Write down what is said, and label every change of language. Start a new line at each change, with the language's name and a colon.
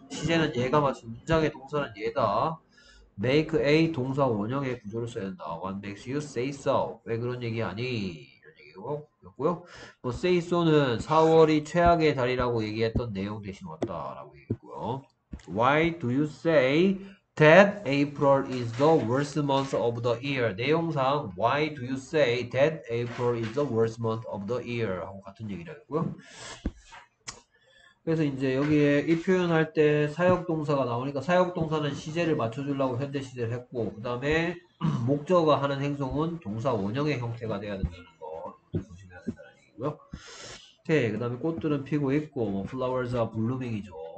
Korean: 시제는 얘가 맞춘 문장의 동사는 얘다. make a 동사 원형의 구조를 써야 된다.
English: what makes you say so?
Korean: 왜 그런 얘기 하니? 이런 얘기였고요. say so는 4월이 최악의 달이라고 얘기했던 내용 대신 왔다라고 얘기했고요.
English: why do you say that April is the worst month of the year?
Korean: 내용상
English: why do you say that April is the worst month of the year?
Korean: 하고 같은 얘기라고요. 그래서 이제 여기에 이 표현할 때 사역동사가 나오니까 사역동사는 시제를 맞춰주려고 현대시제를 했고, 그 다음에 목적어가 하는 행성은 동사 원형의 형태가 돼야 된다는 거 조심해야 된다는 얘기고요. 오케이, 그 다음에 꽃들은 피고 있고
English: flowers are blooming
Korean: 이죠.